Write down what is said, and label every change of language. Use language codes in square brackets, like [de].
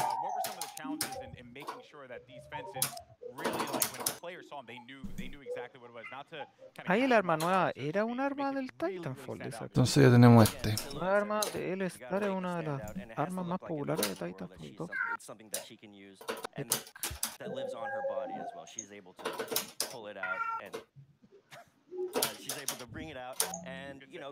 [en] What were some of the challenges in making sure that these fences really, like, when the players saw them, they knew exactly what it was. Not to kind of... [es] Ahí el arma nueva era un arma del Titanfall. Entonces ya tenemos este. La arma de él es una de las armas más populares de Titanfall 2. [en] It's something that she can use and that lives on her body as well. She's able to pull it out and she's able to bring it out and, you know,